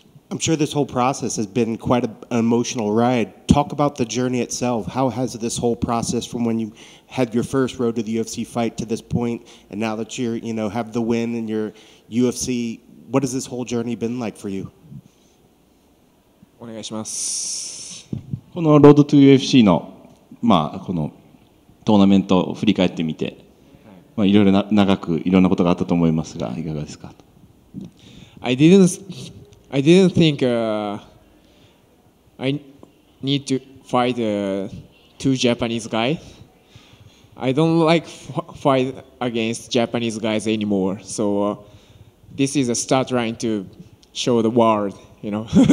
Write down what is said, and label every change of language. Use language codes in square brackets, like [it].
[en] I'm sure this whole process has been quite an emotional ride. Talk about the journey itself. How has this whole process from when you had your first road to the UFC fight to this point, and now that you're, you know, have the win and your UFC, what has this whole journey been like for you? [ja] お願いします。このロードトゥ UFC の、まあ、このトーナメントを振り返ってみて、まあ、いろいろな長くいろんなことがあったと思いますが、いかがですか？ [en] I didn't think I need to fight two Japanese guys. I don't like fight against Japanese guys anymore. So this is a start trying to show the world, you know.